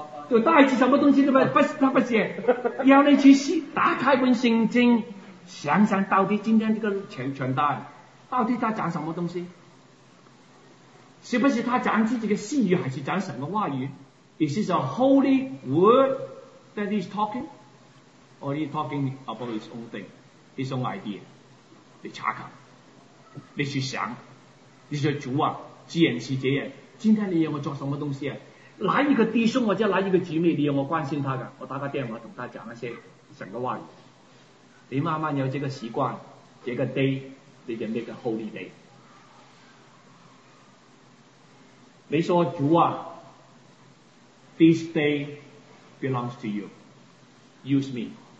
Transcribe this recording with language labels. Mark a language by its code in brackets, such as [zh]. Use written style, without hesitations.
[zh] 就带着什么东西都不是，他不是要你去打开本圣经，想想到底今天这个传单到底他讲什么东西，是不是他讲自己的私语，还是讲什么话语？ [en] Is this a holy word that he's talking? Or he's talking about his own thing, his own idea? [zh] 你查看，你去想，你说主啊，既然是这样，今天你要我做什么东西啊？哪一个弟兄或者哪一个姐妹你要我关心他的，我打个电话同他讲那些神的话语。你慢慢有这个习惯，这个 [en] day [zh] 你就 [en] make a holy day。 [zh] 你说主啊， [en] This day belongs to you, use me。